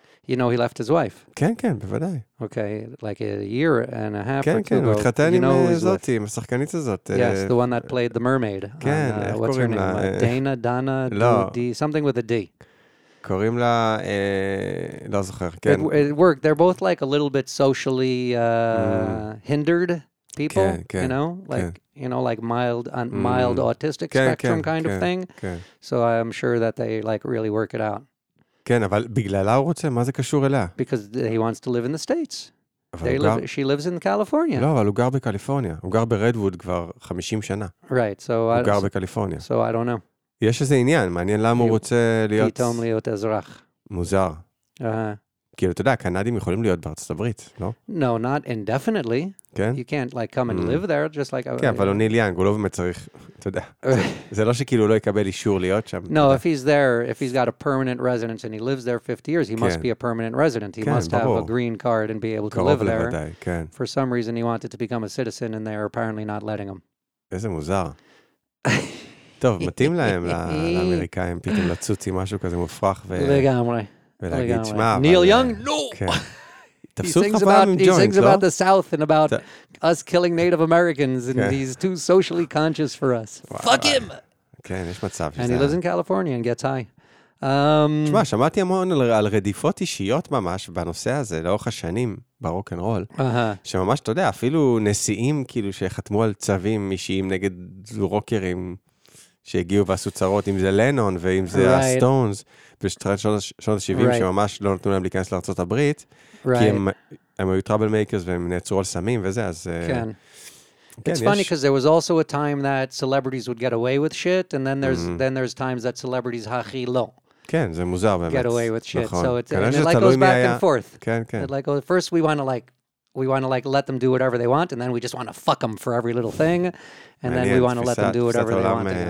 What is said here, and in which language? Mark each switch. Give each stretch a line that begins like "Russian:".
English: You know, he left his wife.
Hebrew: כן, כן, בוודאי.
English: Okay, like a year and a half
Hebrew: כן,
English: or two.
Hebrew: כן, כן, הוא התחתן עם זאת, עם השחקנית הזאת.
English: Yes, the one that played the mermaid.
Hebrew: כן, איך קוראים לה?
English: What's her name? Dana, Donna,
Hebrew: לא.
English: D, something with a D.
Hebrew: קוראים לה, לא זוכר, כן.
English: It worked. They're both like a little bit socially hindered people,
Hebrew: כן, כן,
English: you know? Like,
Hebrew: כן.
English: You know, like mild autistic
Hebrew: כן,
English: spectrum
Hebrew: כן,
English: kind
Hebrew: כן,
English: of thing.
Hebrew: כן.
English: So I'm sure that they like really work it out.
Hebrew: כן, אבל בגללה הוא רוצה, מה זה קשור אליה?
English: Because he wants to live in the States. She lives in California.
Hebrew: לא, אבל הוא גר בקליפורניה. הוא גר ברדווד כבר 50 שנה.
English: Right, so...
Hebrew: הוא גר בקליפורניה.
English: So I don't know.
Hebrew: יש איזה עניין, מעניין למה הוא רוצה להיות... פתאום להיות אזרח. מוזר. כי אתה יודע, קנדים יכולים להיות בארצות הברית, לא?
English: No, not indefinitely.
Hebrew: כן?
English: You can't like come and live there, just like...
Hebrew: כן, אבל הוא ניל יאנג, הוא לא באמת צריך, אתה יודע. זה לא שכאילו לא יקבל אישור להיות שם.
English: No, if he's there, if he's got a permanent residence and he lives there 50 years, he must be a permanent resident. He must have a green card and be able to live there.
Hebrew: קרוב לוודאי, כן.
English: For some reason he wanted to become a citizen and they're apparently not letting him.
Hebrew: איזה מוזר. טוב, מתאים להם, לאמריקאים, פתאום לצוצי משהו כזה מופרח ו... לגמרי. ולהגיד, שמע, ניל יאנג, נו! תפסו לך פעם עם ג'וינט, לא?
English: He sings about the South and about us killing Native Americans and he's too socially conscious for us. Fuck him!
Hebrew: כן, יש מצב.
English: And he lives in California and gets high.
Hebrew: שמע, שמעתי המון על רדיפות אישיות ממש בנושא הזה, לאורך השנים, ברוק אנד רול, שממש, אתה יודע, אפילו נשיאים כאילו שחתמו על צווים אישיים נגד רוקרים שהגיעו ועשו צרות, אם זה לנון ואם זה הסטונס, בשנות ה-70, שממש לא נתנו להם להיכנס לארצות הברית, כי הם היו טראבל מייקרס והם נעצרו על סמים וזה, אז... כן.
English: It's funny because there was also a time that celebrities would get away with shit, and then there's times that celebrities
Hebrew: הכי לא. כן, זה מוזר באמת.
English: Get away with shit. נכון. So it's, and it like goes back היה... and forth.
Hebrew: כן, כן.
English: It like, oh, first we want to like, we want to like let them do whatever they want, and then we just want to fuck them for every little thing, and then we want to let them do whatever they want.